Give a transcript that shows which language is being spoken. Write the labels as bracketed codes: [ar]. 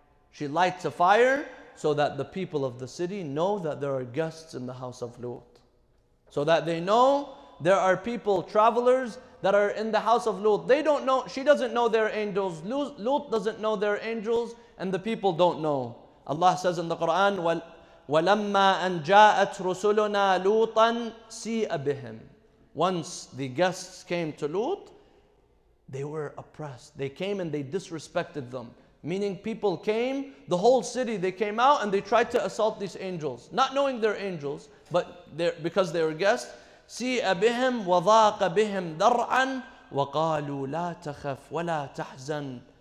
[en] She lights a fire so that the people of the city know that there are guests in the house of Lut. So that they know there are people, travelers, that are in the house of Lut. They don't know, she doesn't know their angels. Lut doesn't know their angels and the people don't know. Allah says in the Quran, [ar] وَلَمَّا أَنْ جَاءَتْ رُسُلُنَا لُوطًا سِيءَ بِهِمْ. [en] Once the guests came to Lut, they were oppressed. They came and they disrespected them. Meaning people came, the whole city, they came out and they tried to assault these angels. Not knowing they're angels, but because they were guests. [ar] سِيءَ بِهِمْ وَضَاقَ بِهِمْ ذَرْعًا وَقَالُوا لَا تَخَفْ وَلَا تَحْزَنْ.